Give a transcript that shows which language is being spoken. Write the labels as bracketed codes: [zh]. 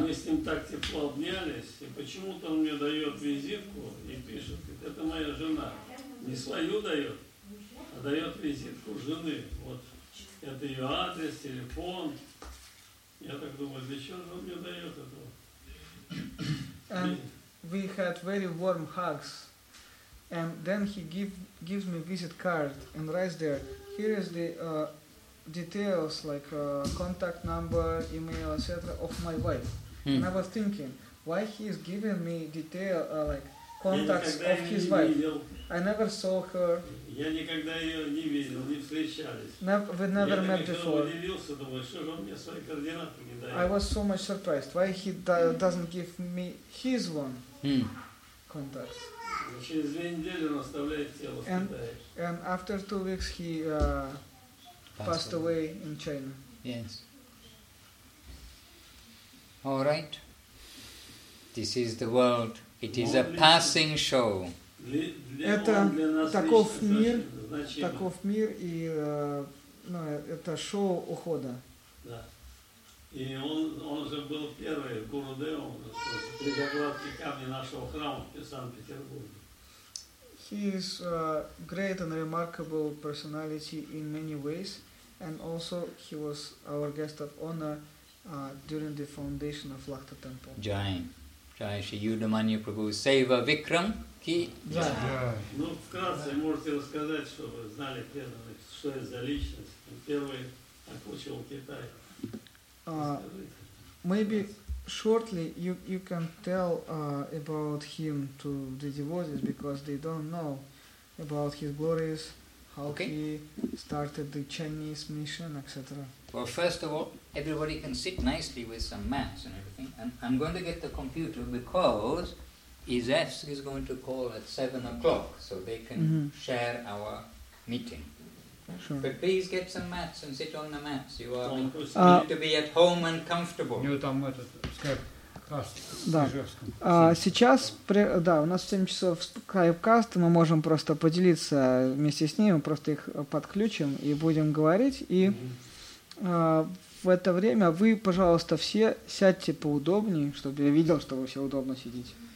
[ru] Мы с ним так тепло обнялись, и почему-то он мне дает визитку и пишет, это моя жена. Не свою дает, а дает визитку жены. Вот это ее адрес, телефон. Я так думаю, для чего же он мне дает это? [en] And we had very warm hugs. And then he gives me visit card and writes there, here is the details, like contact number, email, etc. of my wife. Hmm. And I was thinking, why he is giving me detail, like contacts of his wife? I never saw her. [ru] Я никогда ее не видел, не встречались. [en] We never met before. [ru] Удивился, думаю, что же он мне свои координаты не дает. [en] I was so much surprised. Why he doesn't give me his one contacts? [ru] Через две недели он оставляет тело в Китае. [en] And after 2 weeks he passed away in China. Yes. All right. This is the world. It is a passing show. [ru] Это таков мир, таков мир, и ну, это шоу ухода. Да. И он уже был первый гуру Дэв, он приготовил эти камни нашего храма в Санкт-Петербурге. [en] He is a great and remarkable personality in many ways, and also he was our guest of honor during the foundation of Lakhta Temple. Jai. Jai Shri Yudhamanya Prabhu Seva Vikram Ki. Jai. [ru] Ну, вкратце, можете рассказать, чтобы знали преданные, что это за личность. Первый окучивал Китай. [en] Maybe shortly you can tell about him to the devotees, because they don't know about his glories, how he started the Chinese mission, etc. Well, first of all, everybody can sit nicely with some mats and everything. And I'm going to get the computer because Izefsk is going to call at 7 o'clock, so they can share our meeting. Sure. But please get some mats and sit on the mats. You are need to be at home and comfortable. [ru] You там этот скайп каст. Да. Сейчас, да, у нас 7 часов скайп-каст, мы можем просто поделиться вместе с ними, просто их подключим и будем говорить. И в это время вы, пожалуйста, все сядьте поудобнее, чтобы я видел, что вы все удобно сидите.